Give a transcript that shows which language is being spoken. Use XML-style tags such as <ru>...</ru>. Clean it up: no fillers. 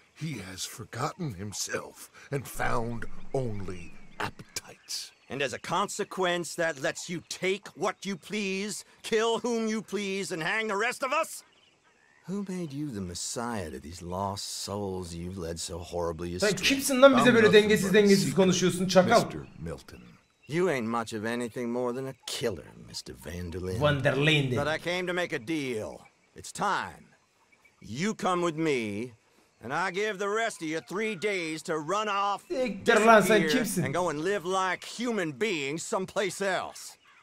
<en>He has forgotten himself and found only appetites. And as a consequence, that lets you take what you please, kill whom you please, and hang the rest of us? Who made you the messiah to these lost souls you've led so horribly astray?</en> <tr>Sen kimsin lan bize böyle dengesiz konuşuyorsun çakal?</tr> <en>Mr. Milton. You ain't much of anything more than a killer, Mr. Vanderlinde. Vanderlinde. But I came to make a deal. It's time. You come with me. And I give the rest of you 3 days to run off, disappear, and go and live like human beings someplace else.</en>